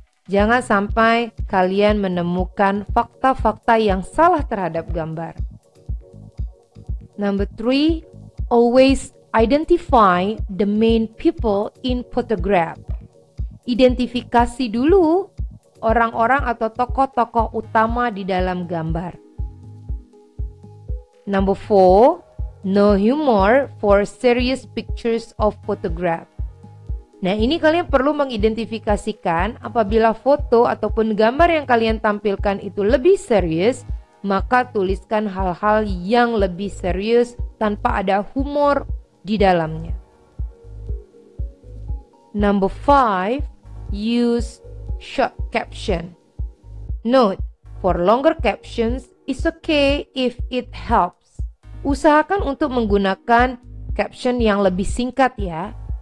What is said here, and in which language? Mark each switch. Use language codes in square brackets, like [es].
[id] Jangan sampai kalian menemukan fakta-fakta yang salah terhadap gambar. [en] Number 3, always identify the main people in photograph. [id] Identifikasi dulu orang-orang atau tokoh-tokoh utama di dalam gambar. [en] Number 4, no humor for serious pictures of photograph. [id] Nah, ini kalian perlu mengidentifikasikan apabila foto ataupun gambar yang kalian tampilkan itu lebih serius, maka tuliskan hal-hal yang lebih serius tanpa ada humor di dalamnya. [en] Number 5, use short caption. Note, for longer captions, it's okay if it helps. [id] Usahakan untuk menggunakan caption yang lebih singkat ya.